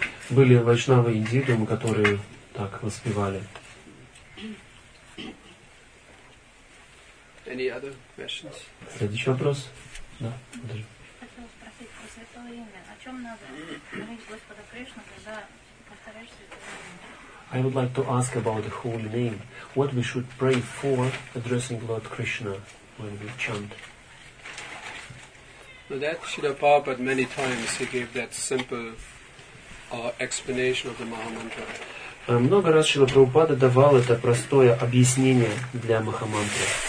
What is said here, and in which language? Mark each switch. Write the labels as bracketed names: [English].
[Russian] были вайшнавы индивидуумы, которые так воспевали. [English] Any other questions? [Russian] Следующий вопрос. Да. Хотела спросить про святое имя. О чем надо молить Господа Кришну, когда повторяешь святое имя? [English] I would like to ask about the holy name. What we should pray for addressing Lord Krishna when we chant? Well, that Srila Prabhupada many times he gave that simple explanation of the Mahamantra. [Russian] Много раз Шрила Прабхупада давал это простое объяснение для Махамантры.